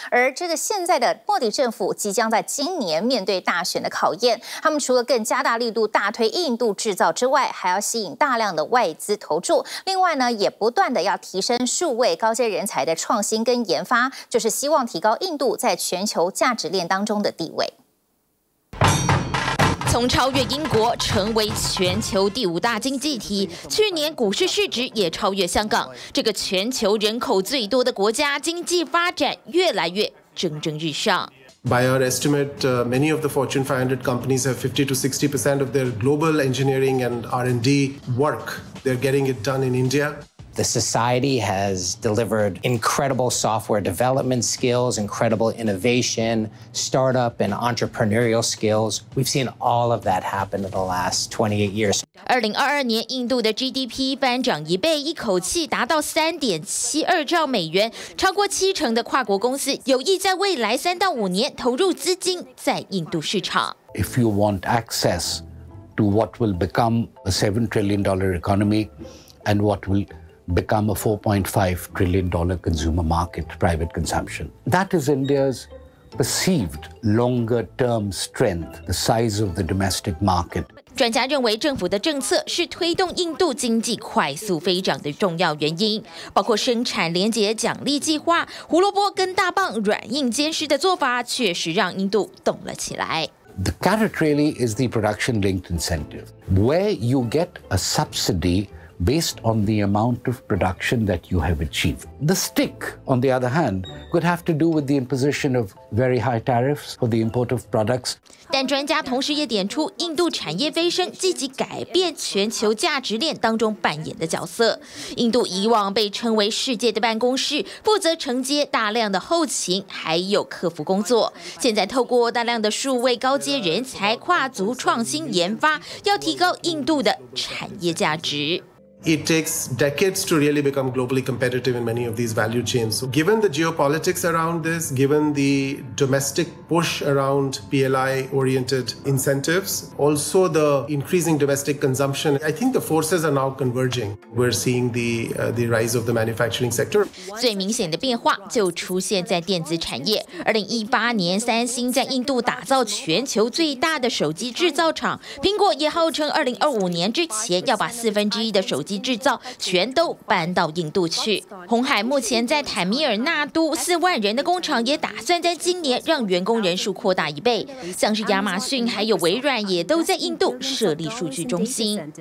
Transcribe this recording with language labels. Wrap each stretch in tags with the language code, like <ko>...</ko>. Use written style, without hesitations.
<zh>而这个现在的莫迪政府即将在今年面对大选的考验，他们除了更加大力度大推印度制造之外，还要吸引大量的外资投注，另外呢也不断的要提升数位高阶人才的创新跟研发，就是希望提高印度在全球价值链当中的地位。从超越英国成为全球第五大经济体，去年股市市值也超越香港，这个全球人口最多的国家经济发展越来越蒸蒸日上。</zh> <en>By our estimate, many of the Fortune 500 companies have 50 to 60% of their global engineering and R&D work. They're getting it done in India. The society has delivered incredible software development skills, incredible innovation, startup and entrepreneurial skills. We've seen all of that happen in the last 28 years. 2022年印度的 GDP 翻涨一倍，一口气达到 3.72 兆美元，超过七成的跨国公司有意在未来三到五年投入资金在印度市场。 If you want access to what will become a $7 trillion economy and what willbecome a $4.5 trillion consumer market, private consumption. That is India's perceived longer-term strength, the size of the domestic market.</en> <zh>专家认为政府的政策是推动印度经济快速飞涨的重要原因，包括生产连结奖励计划，胡萝卜跟大棒软硬兼施的做法确实让印度动了起来。</zh> <en>The carrot really is the production-linked incentive, where you get a subsidyBased on the amount of production that you have achieved. The stick, on the other hand, could have to do with the imposition of very high tariffs for the import of products.</en> <zh>但专家同时也点出，印度产业飞升积极改变全球价值链当中扮演的角色。印度以往被称为世界的办公室，负责承接大量的后勤还有客服工作。现在透过大量的数位高阶人才、跨足创新研发，要提高印度的产业价值。</zh> <en>It takes decades to really become globally competitive in many of these value chains. So given the geopolitics around this, given the domestic push around PLI-oriented incentives, also the increasing domestic consumption, I think the forces are now converging. We're seeing the rise of the manufacturing sector.</en> <zh>最明显的变化就出现在电子产业。2018年三星在印度打造全球最大的手机制造厂，苹果也号称2025年之前要把四分之一的手机制造全都搬到印度去。鸿海目前在坦米尔纳都四万人的工厂也打算在今年让员工人数扩大一倍，像是亚马逊还有微软也都在印度设立数据中心。</zh>